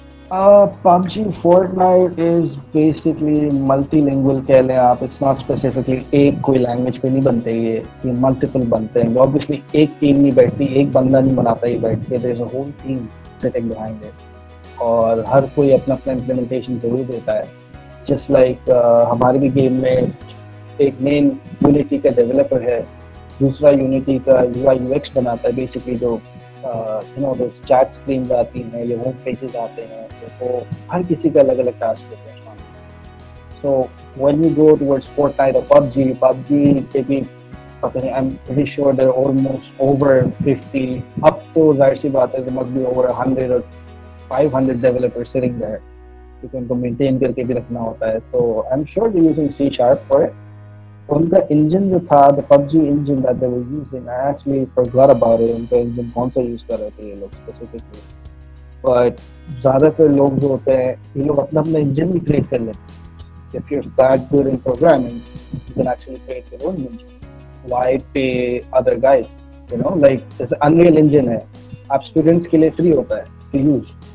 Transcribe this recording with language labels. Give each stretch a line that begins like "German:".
English: PUBG Fortnite is basically multilingual
Hindi: कह लें आप
English: it's not specifically
Hindi: एक कोई लैंग्वेज पे नहीं बनते ये ये मल्टीपल बनते हैं ऑब्वियसली एक टीम नहीं बैठती एक बंदा नहीं बनाता ये बैठ के
English: there is a whole team setting behind it
Hindi: और हर कोई अपना अपना इम्प्लीमेंटेशन जरूर देता है जस्ट लाइक हमारे भी गेम में एक मेन यूनिटी का डेवलपर है दूसरा यूनिटी का UI UX बनाता है बेसिकली जो
English: you know, those chat screens
Hindi: आती हैं, ये home pages आते हैं, तो हर किसी का अलग-अलग task होता है।
English: So when you go towards Fortnite or PUBG, PUBG maybe I'm pretty sure they're almost over 50.
Hindi: अब तो जाहिर सी बात है,
English: there must be over 100 or 500 developers sitting there.
Hindi: क्योंकि उनको maintain करके भी रखना होता है।
English: So I'm sure they're using C# sharp for it.
Hindi: उनका इंजन जो था
English: the PUBG engine that they were using I actually forgot about it
Hindi: उनका इंजन कौन सा यूज़ कर रहे थे ये लोग स्पेसिफिकली बट ज़्यादातर लोग जो होते हैं ये लोग अपना अपना इंजन भी क्रिएट कर लेते हैं
English: if you are that good in programming you can actually create your own engine why pay other guys you know
Hindi: like जैसे अनरियल इंजन है आप स्टूडेंट्स के लिए फ्री होता है टू यूज